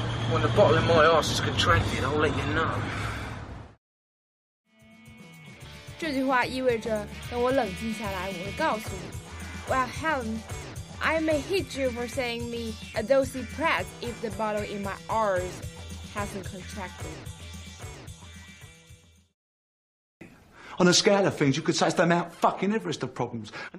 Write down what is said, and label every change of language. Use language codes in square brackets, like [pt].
[en] When the bottle in my arse is contracted, I'll let you know. [zh] 这句话意味着等我冷静下来，我会告诉你。 [en] Well, Helen, I may hit you for saying me a dozy prat if the bottle in my arse hasn't contracted. On a scale of things, you could say it's the Mount fucking Everest of problems.